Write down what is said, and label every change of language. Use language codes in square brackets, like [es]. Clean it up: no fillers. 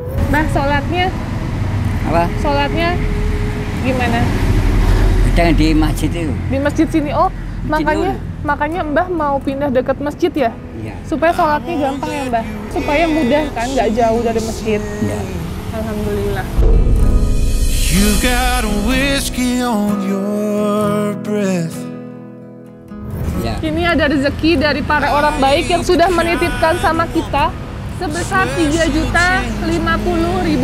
[id] Mbah, sholatnya? Apa? Sholatnya gimana? Kita di masjid itu. Di masjid sini, oh masjid makanya dulu. Makanya Mbah mau pindah dekat masjid ya? Iya. Supaya sholatnya gampang ya Mbah? Supaya mudah kan, gak jauh dari masjid. Iya. Alhamdulillah. [en] You got whiskey on your breath. [id] Ya. Ini ada rezeki dari para orang baik yang sudah menitipkan sama kita sebesar Rp3.050.000.